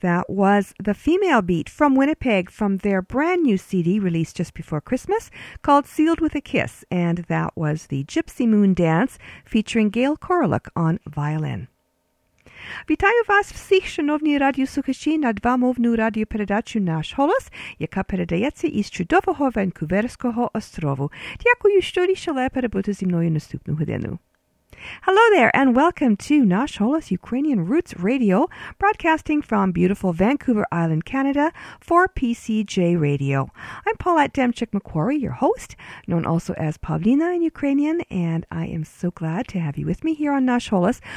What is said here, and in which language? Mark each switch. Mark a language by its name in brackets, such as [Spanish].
[English] That was The Female Beat from Winnipeg, from their brand new CD released just before Christmas called Sealed with a Kiss. And that was The Gypsy Moon Dance featuring Gail Koraluk on violin. [Ukrainian] Вітаю вас всіх, шановні радіослухачі, над вамовну радіопередачу «Наш голос», яка передається із чудового Ванкуверського острову. Дякую, що рішили перебути зі мною наступну годину. [English] Hello there, and welcome to Nash Holos Ukrainian Roots Radio, broadcasting from beautiful Vancouver Island, Canada, for PCJ Radio. I'm Paulette Demchik-Macquarie, your host, known also as Pavlina in Ukrainian, and I am so glad to have you with me here on Nash Holos.